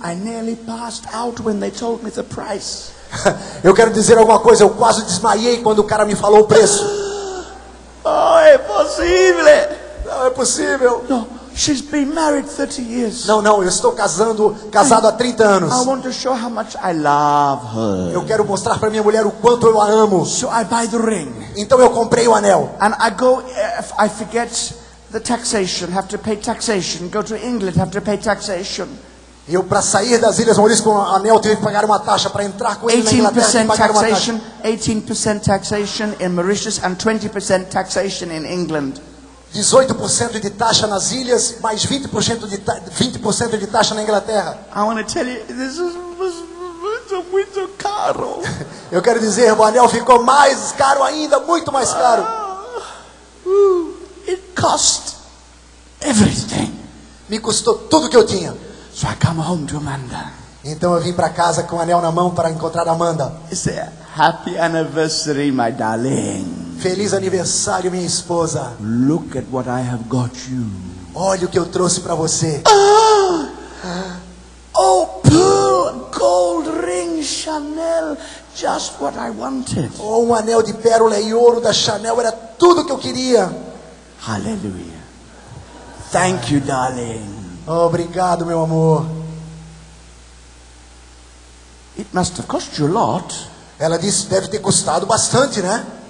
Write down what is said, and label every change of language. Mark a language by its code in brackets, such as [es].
[en] I nearly passed out when they told me the price. [pt] Eu quero dizer alguma coisa. Eu quase desmaiei quando o cara me falou o preço. Oh, é possível. Não é possível. [en] No, she's been married 30 years. [pt] Não, eu estou casado há 30 anos. [en] I want to show how much I love her. [pt] Eu quero mostrar para minha mulher o quanto eu a amo. [en] So I buy the ring. [pt] Então eu comprei o anel. [en] And I go, I forget the taxation, have to pay taxation, go to England, have to pay taxation. [pt] Eu, para sair das Ilhas Maurício com o anel, tive que pagar uma taxa para entrar com ele na Inglaterra. [en] 18% taxation, 18% taxation in Mauritius and 20% taxation in England. [pt] 18% de taxa nas ilhas, mais 20% de taxa na Inglaterra. [en] I want to tell you, this is [pt] muito caro. Eu quero dizer, o anel ficou mais caro ainda, muito mais caro. [en] It cost everything. [pt] Me custou tudo que eu tinha. [en] So I come home to Amanda. [pt] Então eu vim para casa com o anel na mão para encontrar a Amanda. [en] It's a happy anniversary, my darling. [pt] Feliz aniversário, minha esposa. [en] Look at what I have got you. [pt] Olha o que eu trouxe para você. [en] Oh, pearl, gold ring, Chanel, just what I wanted. [pt] Oh, um anel de pérola e ouro da Chanel, era tudo que eu queria. [en] Hallelujah. Thank you, darling. [pt] Obrigado, meu amor. [en] It must have cost you a lot. [pt] Ela disse, deve ter custado bastante, né?